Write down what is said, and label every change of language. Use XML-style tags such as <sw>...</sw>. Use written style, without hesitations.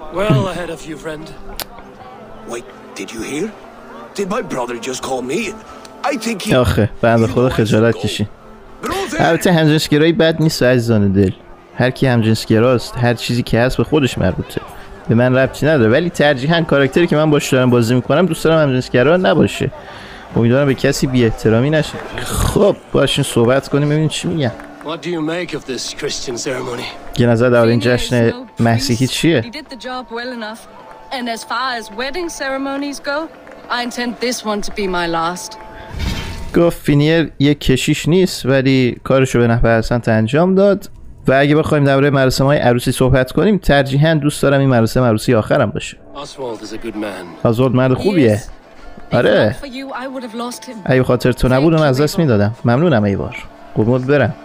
<en>Well ahead of you, friend. Wait, did you hear? Did my brother just call me? I think he...</en> <fa>آخه، بنده خدا خجالت کشی. البته همجنسگرایی بد نیست عزیزان دل. هر کی همجنسگراست، هر چیزی که هست به خودش مربوطه. به من ربطی نداره، ولی ترجیحاً کاراکتری که من باش دارم بازی میکنم دوست دارم همجنسگرا نباشه. امیدوارم به کسی بی احترامی نشه. خب، باشین صحبت کنیم ببینیم چی میگن.</fa> <en>What do you make of this Christian ceremony?</en> <fa>یه نظر در این جشن مسیحی چیه؟</fa> <en>He did the job well enough. And as far as wedding ceremonies go, I intend this one to be my last.</en> <fa>گفت فینیر یه کشیش نیست ولی کارشو به نحو احسن انجام داد و اگه بخوایم درباره مراسم های عروسی صحبت کنیم ترجیحاً دوست دارم این مراسم عروسی آخرم باشه.</fa> <en>Oswald</en> <fa>مرد خوبیه. آره. اگه خاطر تو نبود اون از دست میدادم. ممنونم ایوار. قربونت برم.</fa>